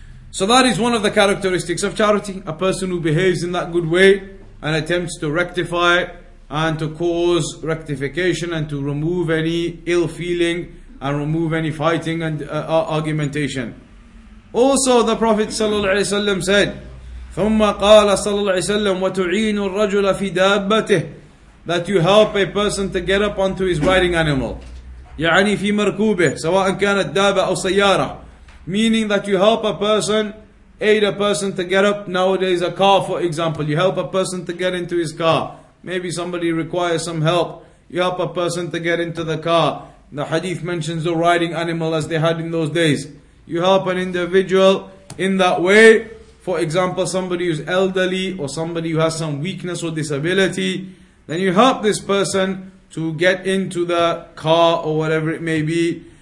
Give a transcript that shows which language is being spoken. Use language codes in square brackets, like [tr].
[en] So that is one of the characteristics of charity. A person who behaves in that good way and attempts to rectify and to cause rectification and to remove any ill feeling and remove any fighting and argumentation. Also the Prophet ﷺ said, [ar] ثُمَّ قَالَ صَلَى اللَّهِ وَسَلَّمْ وَتُعِينُ الرَّجُلَ فِي دَابَّتِهِ. [en] That you help a person to get up onto his riding animal. [ar] يعني في مركوبه سواء كانت دابة أو سيارة. [en] Meaning that you help a person, aid a person to get up. Nowadays a car, for example, you help a person to get into his car. Maybe somebody requires some help, you help a person to get into the car. The hadith mentions the riding animal as they had in those days. You help an individual in that way. For example, somebody who's elderly or somebody who has some weakness or disability, then you help this person to get into the car or whatever it may be.